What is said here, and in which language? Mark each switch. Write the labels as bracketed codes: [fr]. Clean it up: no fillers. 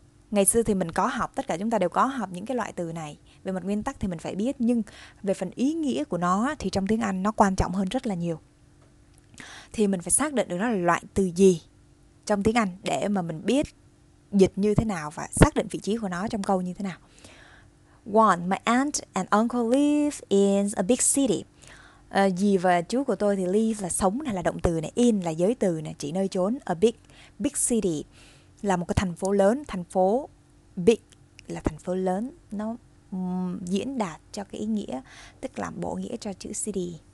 [vi] Ngày xưa thì mình có học, tất cả chúng ta đều có học những cái loại từ này. Về mặt nguyên tắc thì mình phải biết, nhưng về phần ý nghĩa của nó thì trong tiếng Anh nó quan trọng hơn rất là nhiều. Thì mình phải xác định được nó là loại từ gì trong tiếng Anh để mà mình biết dịch như thế nào và xác định vị trí của nó trong câu như thế nào. [en] One, my aunt and uncle live in a big city. [vi] Dì và chú của tôi thì live là sống này, là động từ này, in là giới từ này, chỉ nơi trốn. [en] A big city [vi] là một cái thành phố lớn, thành phố big là thành phố lớn, nó diễn đạt cho cái ý nghĩa, tức là bổ nghĩa cho chữ city.